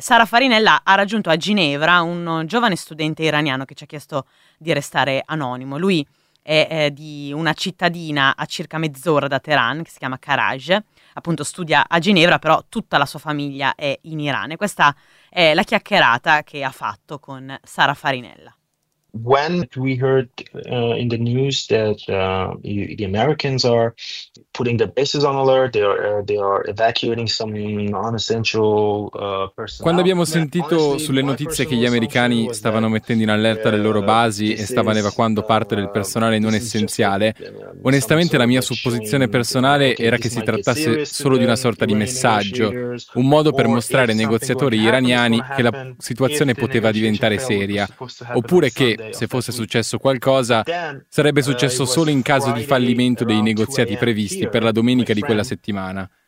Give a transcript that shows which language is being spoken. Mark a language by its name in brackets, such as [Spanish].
[Italian] Sara Farinella ha raggiunto a Ginevra un giovane studente iraniano che ci ha chiesto di restare anonimo. Lui è di una cittadina a circa mezz'ora da Teheran, che si chiama Karaj, appunto studia a Ginevra, però tutta la sua famiglia è in Iran. E questa è la chiacchierata che ha fatto con Sara Farinella. [English] When we heard in the news that the Americans are putting the bases on alert, they are evacuating some non-essential personnel. [Italian] Quando abbiamo sentito sulle notizie che gli americani stavano mettendo in allerta le loro basi e stavano evacuando parte del personale non essenziale, onestamente la mia supposizione personale era che si trattasse solo di una sorta di messaggio, un modo per mostrare ai negoziatori iraniani che la situazione poteva diventare seria, oppure che, se fosse successo qualcosa, sarebbe successo solo in caso di fallimento dei negoziati previsti per la domenica di quella settimana.